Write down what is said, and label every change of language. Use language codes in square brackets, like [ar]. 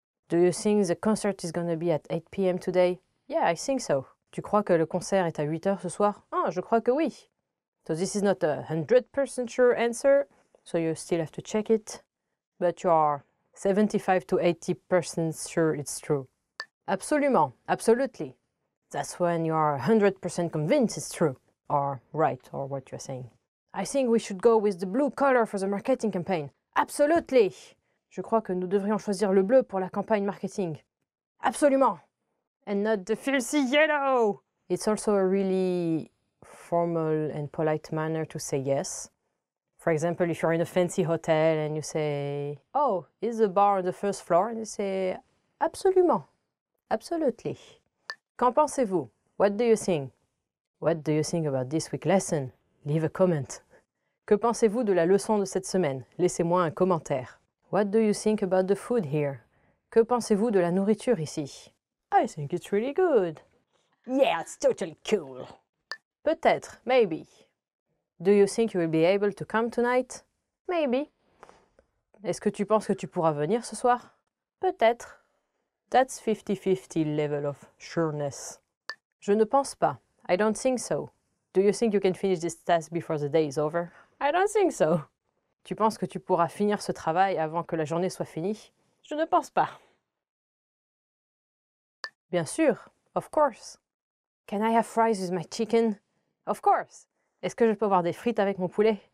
[en] Do you think the concert is gonna be at 8 p.m. today? Yeah, I think so. [fr] Tu crois que le concert est à 8 heures ce soir? Ah, je crois que oui. [en] So this is not a 100% sure answer, so you still have to check it. But you are 75 to 80% sure it's true. Absolument, absolutely. That's when you are 100% convinced it's true, or right, or what you're saying. I think we should go with the blue color for the marketing campaign. Absolutely! [fr] Je crois que nous devrions choisir le bleu pour la campagne marketing. [en] Absolument! And not the filthy yellow! It's also a really formal and polite manner to say yes. For example, if you're in a fancy hotel and you say, oh, is the bar on the first floor? And you say, absolument. Absolutely. [fr] Qu'en pensez-vous? [en] What do you think? What do you think about this week's lesson? Leave a comment. [fr] Que pensez-vous de la leçon de cette semaine? Laissez-moi un commentaire. [en] What do you think about the food here? [fr] Que pensez-vous de la nourriture ici? [en] I think it's really good. Yeah, it's totally cool. Peut-être, maybe. Do you think you will be able to come tonight? Maybe. [fr] Est-ce que tu penses que tu pourras venir ce soir? [en] Peut-être. That's 50-50 level of sureness. [fr] Je ne pense pas. [en] I don't think so. Do you think you can finish this task before the day is over? I don't think so. [fr] Tu penses que tu pourras finir ce travail avant que la journée soit finie? Je ne pense pas. Bien sûr. [en] Of course. Can I have fries with my chicken? Of course. [fr] Est-ce que je peux avoir des frites avec mon poulet?